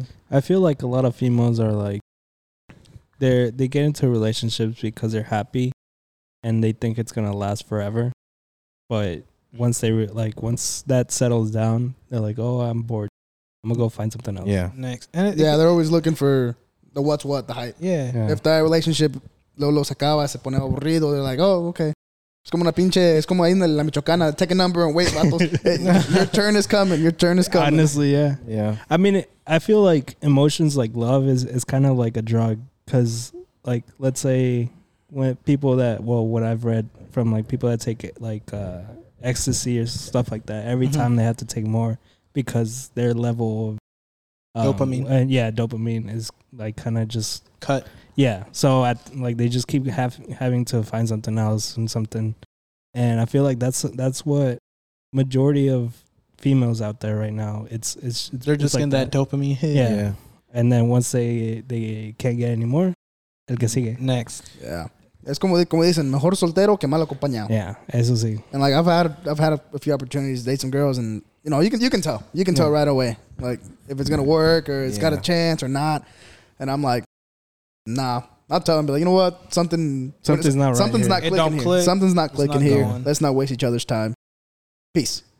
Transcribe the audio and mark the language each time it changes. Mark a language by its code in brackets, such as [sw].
[en] I feel like a lot of females are, like, they get into relationships because they're happy and they think it's going to last forever. But once they once that settles down, they're like, oh, I'm bored. I'm going to go find something else. Yeah. Next. And they're always looking for the what, the hype. Yeah. If that relationship, [es] lo sacaba, se pone aburrido, [en] they're like, oh, okay. [es] Es como una pinche, es como ahí en la Michoacana. [en] Take a number and wait. Your turn is coming. Honestly, yeah. Yeah. I mean, I feel like emotions like love is kind of like a drug. Because, like, let's say when people that, well, what I've read from, like, people that take it, like, ecstasy or stuff like that, every mm-hmm. time they have to take more because their level of dopamine. And dopamine is, like, kind of just cut. Yeah. So, they just keep having to find something else and something. And I feel like that's what majority of females out there right now, they're just in that dopamine hit. Yeah. Yeah. And then once they can't get any more, [es] el que sigue. [en] Next. Yeah. [es] Es como dicen, mejor soltero que mal acompañado. [en] Yeah, [es] eso sí. [en] And like I've had a few opportunities to date some girls, and you know you can tell right away, like, if it's gonna work or it's got a chance or not. And I'm like, nah, I'll tell them, be like, you know what, something's not clicking here. Let's not waste each other's time. Peace.